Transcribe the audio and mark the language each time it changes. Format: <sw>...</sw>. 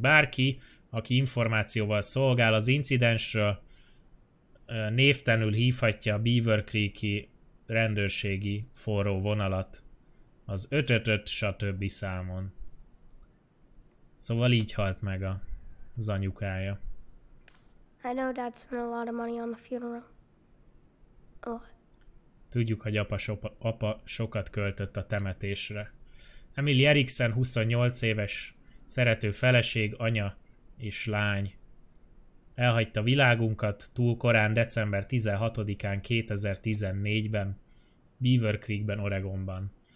<hu>Bárki, aki információval szolgál az incidensről, névtelenül hívhatja a Beaver Creek-i rendőrségi forró vonalat az 555 stb. Számon. Szóval így halt meg az anyukája.</hu> <en>I know dad spent a lot of money on the funeral. Oh.</en> <hu>Tudjuk, hogy apa sokat költött a temetésre. Emily Erickson, 28 éves, szerető feleség, anya és lány. Elhagyta világunkat túl korán, december 16-án 2014-ben, Beaver Creekben, Oregonban.</hu>